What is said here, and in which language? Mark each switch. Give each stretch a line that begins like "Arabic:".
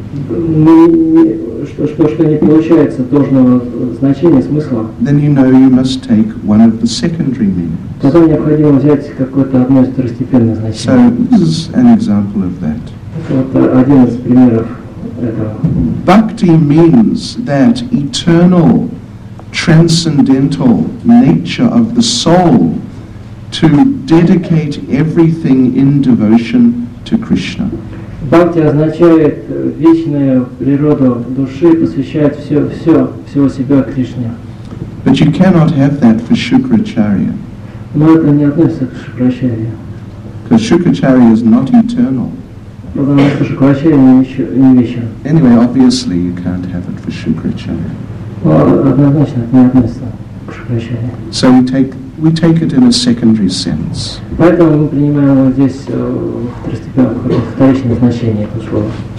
Russian: что не получается должного значения, смысла,
English: then you know you must take one of the secondary meanings.
Russian: Тогда необходимо взять какое-то одно из второстепенных значений.
English: So this is an example of that.
Russian: Это один из примеров этого.
English: Bhakti means that eternal, transcendental nature of the soul to dedicate everything in devotion to Krishna.
Russian: Бхакти означает вечную природу души, посвящает всего себя Кришне.
English: But you cannot have that for Shukracharya.
Russian: Но это не относится к Шукрачарье.
English: Because Shukracharya is not eternal.
Russian: Потому что Шукрачарья не вечен.
English: Anyway, obviously you can't have it for Shukracharya.
Russian: Однозначно это не относится к Шукрачарье.
English: So we take it in a secondary sense.
Russian: Поэтому мы принимаем его здесь второстепенное, вторичное значение этого слова.